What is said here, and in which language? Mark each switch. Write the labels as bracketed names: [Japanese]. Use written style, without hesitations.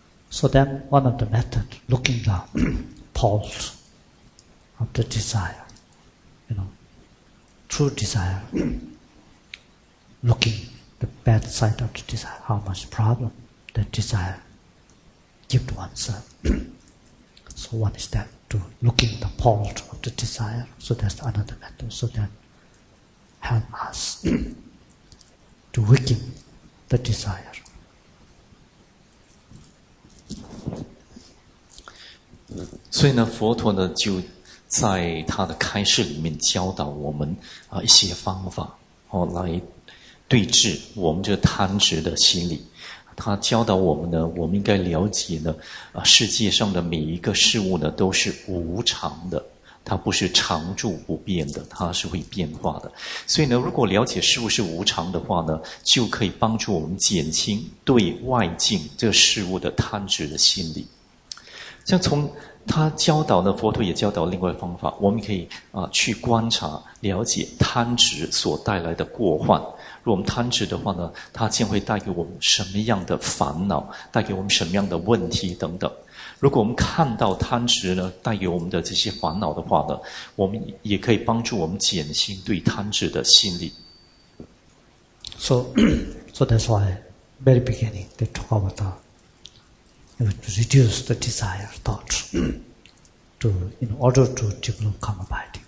[English] So then one of the method, looking the pulse of the desire, you know, true desire, looking the bad side of the desire, how much problem,the desire give to oneself. So one is that, to looking the fault of the desire, so that's another method, so that help us to weaken the desire. [Chinese] 所以呢，佛陀呢就在他的开示里面教导我们一些方法来对治我们这贪执的心理。他教导我们呢，我们应该了解呢，世界上的每一个事物呢都是无常的，它不是常住不变的，它是会变化的。所以呢，如果了解事物是无常的话呢，就可以帮助我们减轻对外境这个事物的贪执的心理。像从他教导呢，佛陀也教导另外方法，我们可以去观察了解贪执所带来的过患。如果我们贪执的话呢，它将会带给我们什么样的烦恼，带给我们什么样的问题等等。如果我们看到贪执呢带给我们的这些烦恼的话呢，我们也可以帮助我们减轻对贪执的心理。 [English] So that's why very beginning they talk about to reduce the desire thought to in order to develop karma biting.